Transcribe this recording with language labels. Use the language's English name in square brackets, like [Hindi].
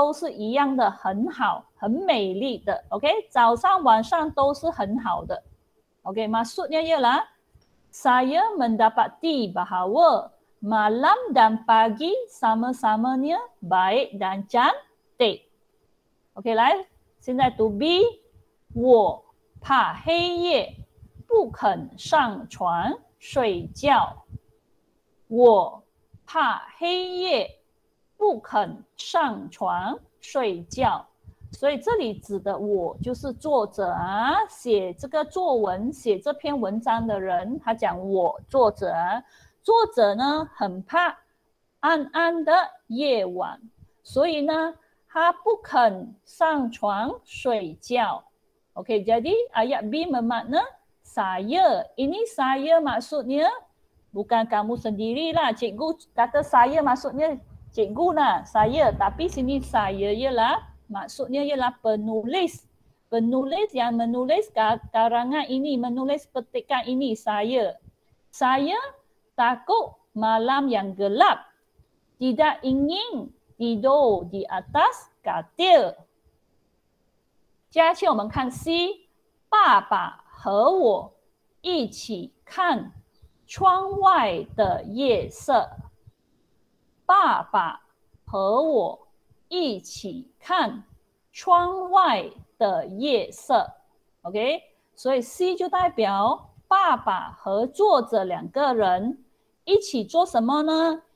[Chinese] 我发现夜晚和白天一样美好。我发现夜晚和白天一样美好。所以这里讲的是作者发现了晚上和早上。对不起，作者说他发现了晚上和早上这两个都是一样的很好，很美丽的。OK， 早上晚上都是很好的。 [Malay] Okay, maksudnya ialah saya mendapati bahawa malam dan pagi sama-samanya baik dan cantik. Okay, 来, [Chinese] 现在读 B， 我怕黑夜，不肯上床睡觉。我怕黑夜，不肯上床睡觉。所以这里指的我就是作者啊，写这个作文、写这篇文章的人，他讲我作者啊，作者呢很怕暗暗的夜晚，所以呢他不肯上床睡觉。 [Malay] OK， jadi ayat B bermakna saya ini saya maksudnya bukan kamu sendiri lah, cikgu kata saya maksudnya cikgu lah saya, tapi sini saya ialah maksudnya ialah penulis. Penulis yang menulis karangan ini, menulis petikan ini, saya. Saya takut malam yang gelap. Tidak ingin tidur di atas katil. [Chinese] 接下来我们看 C. 爸爸和我一起看窗外的夜色。爸爸和我一起看窗外的夜色 ，OK， 所以 C 就代表爸爸和作者两个人一起做什么呢？